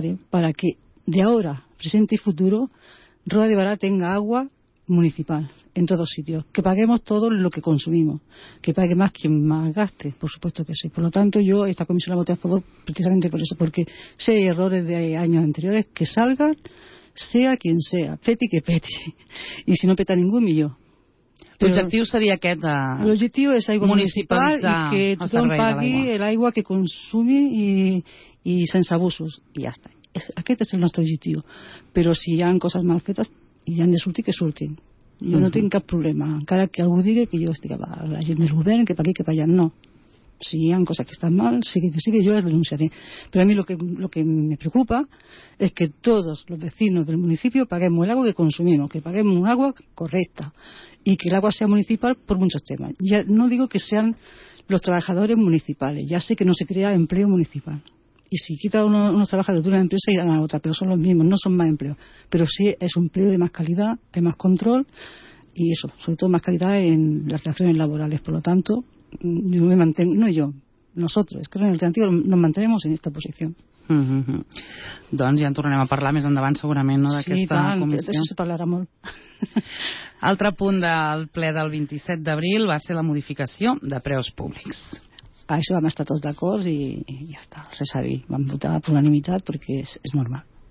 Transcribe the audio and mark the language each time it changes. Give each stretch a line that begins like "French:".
Spanish: para que de ahora, presente y futuro, Roda de Barà tenga agua municipal en todos sitios, que paguemos todo lo que consumimos, que pague más quien más gaste, por supuesto que sí. Por lo tanto, yo esta comisión la voté a favor precisamente por eso, porque si hay errores de años anteriores, que salgan, sea quien sea,
Catalan: peti que peti,
Spanish: y si no peta ningún, ni yo.
Catalan: L'objectiu seria aquest, l'objectiu és aigua municipal i que tothom pagui l'aigua que consumi i sense abusos, i ja està. Aquest és el nostre objectiu, però si hi ha coses mal fetes i han de sortir, que surtin. Jo no tinc cap problema, encara que algú digui que jo estic a la gent del govern, que per aquí, que per allà, no. Si hi ha coses que estan mal, sí que jo les denunciaré. Però a mi
Spanish: lo que me preocupa
Catalan: és que tots els vecinos del municipi paguem l'aigua que consumim, que paguem una aigua correcta i que l'aigua sea municipal per molts temes.
Spanish: Ja no digo que sean los trabajadores municipales, ja sé que no se crea empleo municipal. Y si quita unos trabajadores de una empresa, irán a la otra, pero son los mismos, no son más empleos. Pero sí es un empleo de más calidad, hay más control y eso, sobre todo más calidad en las relaciones laborales. Por lo tanto, yo me mantengo, no yo, nosotros, es que en el alternativo nos mantenemos en esta posición.
Catalan: Doncs ja en tornarem a parlar més endavant segurament, no, d'aquesta comissió. Sí, tant, d'això se parlarà molt. Altre punt del ple del 27 d'abril va ser la modificació de preus públics. A això vam estar tots d'acord i ja està, res a dir. Vam votar per unanimitat perquè és normal.